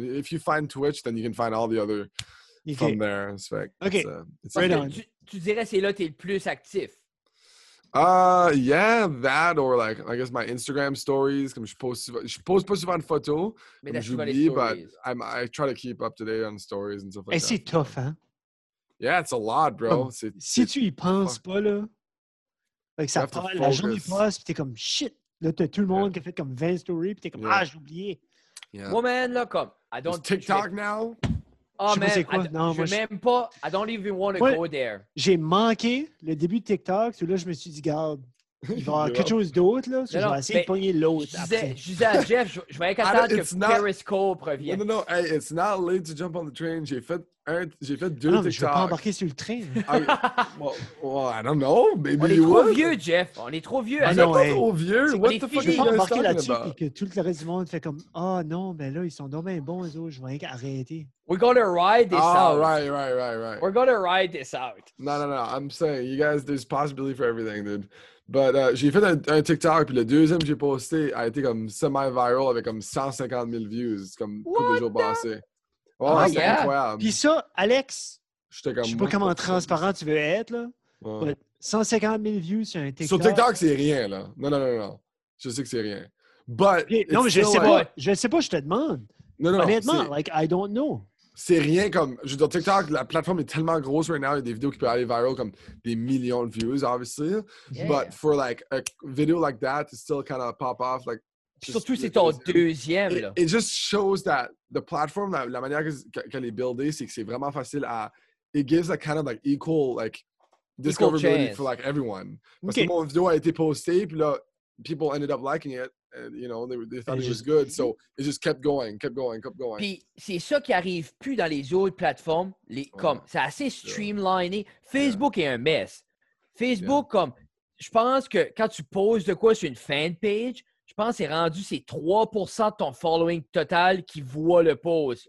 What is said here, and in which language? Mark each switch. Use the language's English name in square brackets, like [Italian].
[English] If you find Twitch, then you can find all the other from there. It's like, okay. [French] Tu dirais c'est là que t'es le plus actif. [English] That or like, I guess my Instagram stories. [French] Comme je poste pas souvent de photos. Mais j'oublie, [English] but I try to keep up to date on stories and stuff like [French] that. Et c'est tough, hein? [English] Yeah, it's a lot, bro. Comme, [French] si tu y penses pas là, like, ça prend la journée passe, puis t'es comme shit. Là, t'as tout le monde qui a fait comme 20 stories, pis t'es comme, j'ai oublié. [English] Yeah. [French] Moi, man, là, comme, [English] I don't... Is TikTok now? Oh, man, I don't even want to go there. [French] J'ai manqué le début de TikTok, c'est là, je me suis dit, garde, Il va y avoir quelque chose d'autre, là. Je vais essayer de pogner l'autre. Je disais à Jeff, je vais attendre que Periscope revienne. Non, non, non. [English] Hey, it's not late to jump on the train. [French] J'ai fait deux TikToks. Je vais pas embarquer sur le train. [English] I don't know. Maybe [French] on est trop vieux, Jeff. On est trop vieux. On est trop vieux. [English] What the fuck? [French] Je vais embarquer là-dessus et que tout le reste du monde fait comme, ah non, ben là, ils sont dommage bons, eux autres. Je vais arrêter. [English] We're going to ride this out. Right. We're going to ride this out. No. I'm saying, you guys, there's possibility for everything, dude. [French] But j'ai fait un TikTok, puis le deuxième que j'ai posté a été comme semi-viral avec comme 150 000 views, comme tous les jours passés. Oh, c'est incroyable. Puis ça, Alex, je sais pas comment transparent tu veux être, là. Ouais. 150 000 views sur un TikTok. Sur TikTok, c'est rien, là. Non. Je sais que c'est rien. But non, mais je sais pas, je te demande. Non. Honnêtement, [English] like, I don't know. [French] C'est rien comme... Je veux dire, TikTok, la plateforme est tellement grosse [English] right now, [French] il y a des vidéos qui peuvent aller viral comme des millions de views, obviously. [English] Yeah. But for like a video like that to still kind of pop off, like... [French] Just, surtout, c'est ton deuxième, là. [English] It just shows that the platform, [French] la manière qu'elle est buildée, c'est que c'est vraiment facile à... [English] It gives a kind of like equal, like, discoverability equal for like everyone. [French] Parce que mon vidéo a été postée, puis là, [English] people ended up liking it. And, you know, they thought it was good. So, it just kept going. [French] Puis, c'est ça qui arrive plus dans les autres plateformes. C'est assez streamliné. Facebook est un mess. Facebook, je pense que quand tu poses de quoi sur une fan page, je pense que c'est rendu, c'est 3% de ton following total qui voit le post.